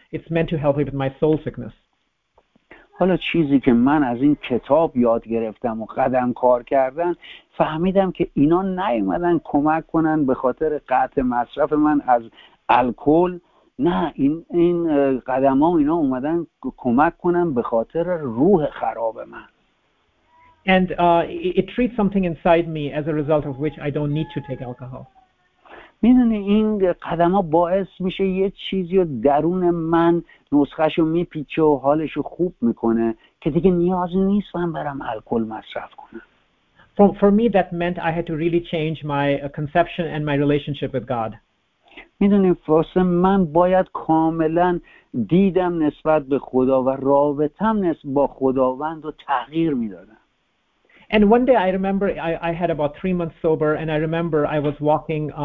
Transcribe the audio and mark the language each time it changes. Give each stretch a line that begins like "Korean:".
English: It's meant to help me with my soul sickness.
Persian: حالا چیزی که من از این کتاب یاد گرفتم و قدم کار کردن، فهمیدم که اینا نیومدن کمک کنن به خاطر قطع مصرف من از الکل، نه، این قدم ها اینا اومدن کمک کنن به خاطر روح خراب من.
English: And it treats something inside me as a result of which I don't need to take alcohol.
Persian: میدونی این قدم ها باعث میشه یه چیزی رو درون من نسخش رو میپیچه و حالش رو خوب میکنه که دیگه نیاز نیست من برم الکل مصرف کنم.
English: For me that meant I had to really change my conception and my relationship with God.
Persian: میدونیم فاصله من باید کاملا دیدم نسبت به خدا و رابطم نسبت با خداوند رو تغییر میدادم.
English: And one day I remember I had about 3 months sober, and I remember I was walking.